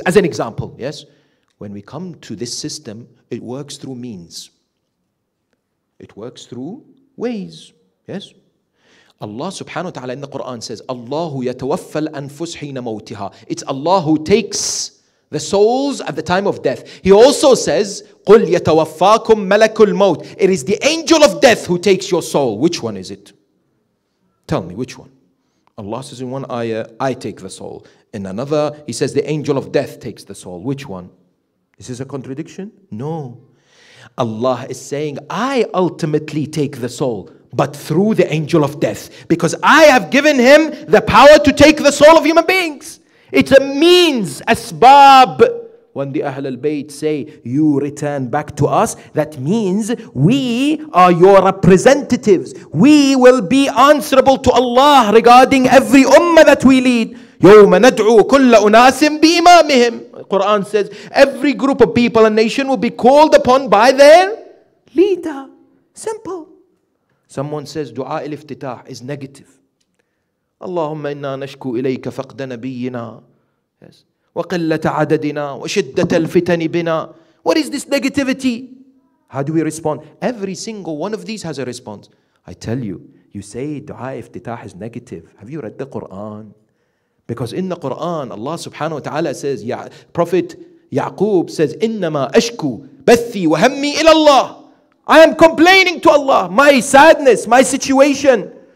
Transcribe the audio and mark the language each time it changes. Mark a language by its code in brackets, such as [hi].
[en] As an example, yes? When we come to this system, it works through means. It works through ways, yes? Allah subhanahu wa ta'ala in the Quran says, [ar] Allahu yatawaffal anfus hina mawtiha. [en] It's Allah who takes the souls at the time of death. He also says, [ar] قُلْ يَتَوَفَّاكُمْ مَلَكُ الْمَوْتِ. [en] It is the angel of death who takes your soul. Which one is it? Tell me, which one? Allah says in one ayah, I take the soul. In another, He says the angel of death takes the soul. Which one? Is this a contradiction? No. Allah is saying, I ultimately take the soul, but through the angel of death. Because I have given him the power to take the soul of human beings. It's a means, asbab. When the Ahlul Bayt say, you return back to us, that means we are your representatives. We will be answerable to Allah regarding every ummah that we lead. [ar] يَوْمَ نَدْعُوا كُلَّ أُنَاسٍ بِإِمَامِهِمْ [en] Quran says, every group of people and nation will be called upon by their leader. Simple. Someone says, dua al-iftitah is negative. [ar] اللهم إنا نشكو إليك فقد نبينا وقلة عددنا وشدة الفتن بنا. [en] What is this negativity? How do we respond? Every single one of these has a response. I tell you, you say dua iftitah is negative. Have you read the Quran? Because in the Quran, Allah subhanahu wa ta'ala says, Prophet Ya'qub says, [ar] إِنَّمَا أَشْكُوا بَثِّي وَهَمِّي إِلَى اللَّهِ [en] I am complaining to Allah, my sadness, my situation.